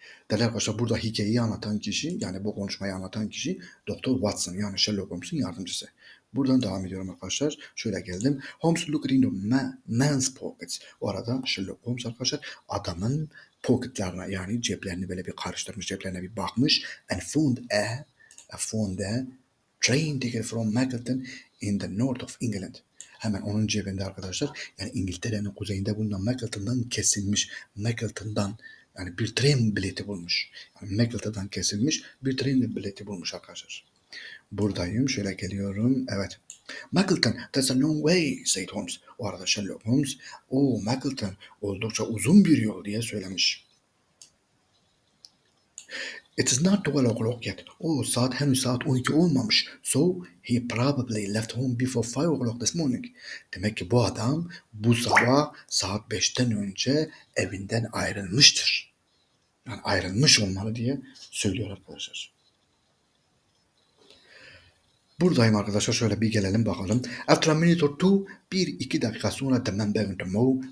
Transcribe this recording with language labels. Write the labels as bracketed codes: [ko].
[tr] Değerli arkadaşlar burada hikayeyi anlatan kişi yani bu konuşmayı anlatan kişi Doktor Watson yani Sherlock Holmes'un yardımcısı. Buradan devam ediyorum arkadaşlar. Şöyle geldim. [en] Holmes looked into man's pockets. [tr] O arada Sherlock Holmes arkadaşlar adamın pocketlerine yani ceplerini böyle bir karıştırmış, ceplerine bir bakmış. [en] And found a train ticket from Mackleton in the north of England. [tr] Hemen onun cebinde arkadaşlar yani İngiltere'nin kuzeyinde bulunan Mackleton'dan kesilmiş. Mackleton'dan yani bir tren bileti bulmuş. Yani Mackleton'dan kesilmiş bir tren bileti bulmuş arkadaşlar. Buradayım. Şöyle geliyorum. Evet. [en] Mackleton, that's a long way, said Holmes. [tr] O arada Sherlock Holmes, o Mackleton oldukça uzun bir yol diye söylemiş. [en] It is not 12 o'clock yet. [tr] O saat henüz saat 12 olmamış. [en] So he probably left home before 5 o'clock this morning. [tr] Demek ki bu adam bu sabah saat 5'ten önce evinden ayrılmıştır. Yani ayrılmış olmalı diye söylüyor arkadaşlar. Buradayım arkadaşlar. Şöyle bir gelelim bakalım. [en] After a minute or two, [tr] 1-2 dakika sonra [en] the man began to move.